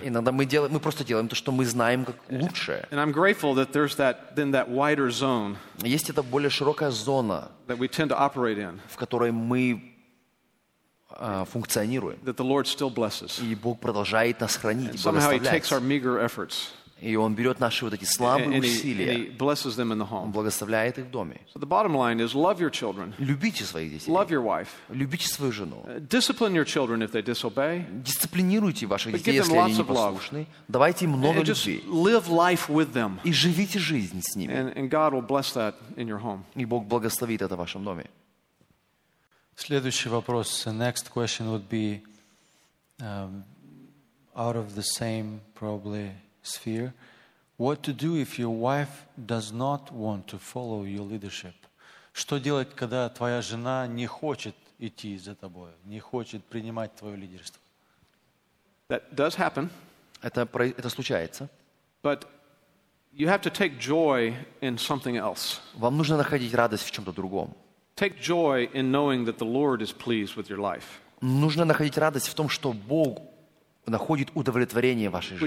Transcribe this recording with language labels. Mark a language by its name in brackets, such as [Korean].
[Russian] Иногда мы просто делаем то, что мы знаем как лучше. [English] And I'm grateful that there's that wider zone. [Russian] Есть эта более широкая зона, [English] that we tend to operate in. [Russian] В которой мы функционируем. [English] That the Lord still blesses. [Russian] И Бог продолжает нас хранить и [English] благословлять. Somehow he takes our meager efforts. [Russian] И он берет наши вот эти слабые усилия. [English] And he blesses them in the home. [Russian] Он благословляет их в доме. [English] So the bottom line is love your children. [Russian] Любите своих детей. [English] Love your wife. [Russian] Любите свою жену. [English] Discipline your children if they disobey. [Russian] Дисциплинируйте ваших детей, если они непослушны. Давайте им много любви. [English] Live life with them. [Russian] И живите жизнь с ними. [English] And God will bless that in your home. [Russian] И Бог благословит это в вашем доме. Следующий вопрос. [English] The next question would be out of the same probably sphere. What to do if your wife does not want to follow your leadership? [Russian] Что делать, когда твоя жена не хочет идти за тобой, не хочет принимать твое лидерство? [English] That does happen. [Russian] Это случается. [English] But You have to take joy in something else. [Russian] Вам нужно находить радость в чем-то другом. [English] Take joy in knowing that the Lord is pleased with your life. [Russian] Нужно находить радость в том, что Бог находит удовлетворение в вашей жизни.